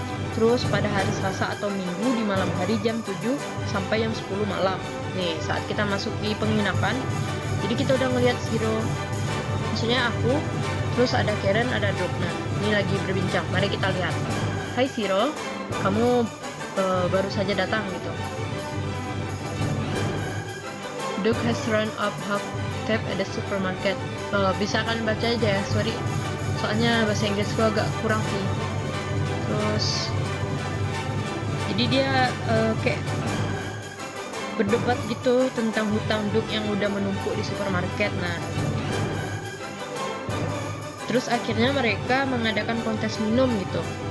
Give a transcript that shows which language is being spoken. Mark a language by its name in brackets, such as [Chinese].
[Indonesian] Terus pada hari Selasa atau Minggu di malam hari jam 7 sampai jam 10 malam. Nih, saat kita masuk di penginapan, jadi kita udah ngelihat Siro. Maksudnya aku, terus ada Karen, ada Dokna. Ini lagi berbincang. Mari kita lihat. Hai Siro, kamu baru saja datang gitu. [English] Duke has run up half tap at the supermarket. [Indonesian] Bisa kan baca aja ya, sorry. Soalnya bahasa Inggris gua agak kurang sih. Terus, jadi dia kayak berdebat gitu tentang hutang Duke yang udah menumpuk di supermarket. Nah, terus akhirnya mereka mengadakan kontes minum gitu.